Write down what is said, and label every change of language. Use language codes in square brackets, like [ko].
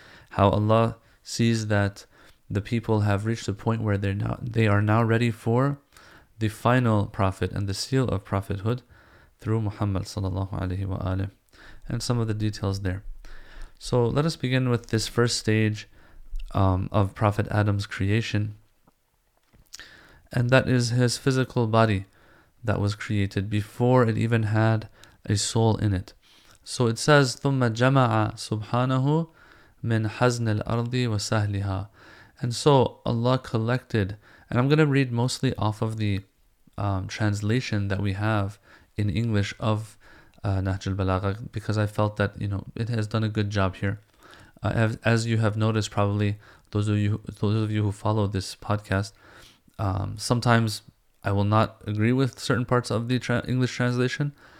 [en] How Allah sees that the people have reached a point where they are now ready for the final prophet and the seal of prophethood through Muhammad sallallahu alayhi wa alayhi, and some of the details there. So let us begin with this first stage of Prophet Adam's creation. And that is his physical body that was created before it even had a soul in it. [ar] So it says, ثُمَّ جَمَعَ سُبْحَانَهُ مِنْ حَزْنِ الْأَرْضِ وَسَهْلِهَا. [en] And so Allah collected, and I'm going to read mostly off of the translation that we have in English of Nahj al-Balagha, because I felt that, you know, it has done a good job here. As you have noticed, probably those of you who follow this podcast, sometimes I will not agree with certain parts of the English translation.